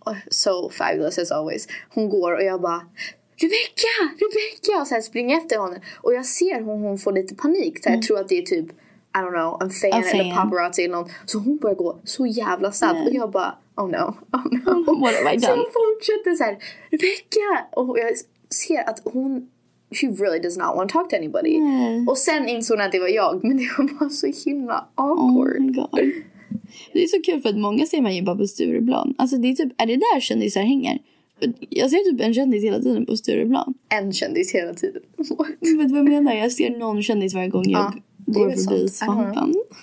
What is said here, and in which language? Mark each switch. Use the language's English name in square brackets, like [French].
[English] so fabulous as always. [Swedish] Hon går och jag bara, Rebecca, Rebecca, och så här springer efter honom. Och jag ser hon får lite panik. Så jag tror att det är typ, [English] I don't know, [Swedish] en fan eller paparazzi eller någon. Så hon börjar gå så jävla snabbt. Och jag bara, [English] oh no, oh no. What have I done? [Swedish] Så hon fortsätter så här, Rebecca. Och jag ser att hon, [English] she really does not want to talk to anybody. [Swedish] Nej. Och sen insåg hon att det var jag. Men det var så himla awkward. [English] Oh my god. [Swedish] Det är så kul för att många ser man ju bara på Stureplan. Alltså det är typ, är det där kändisar hänger? Jag ser typ en kändis hela tiden på Stureplan. En kändis hela tiden. Vet du vad jag menar? Jag ser någon kändis varje gång jag går förbi Svampen.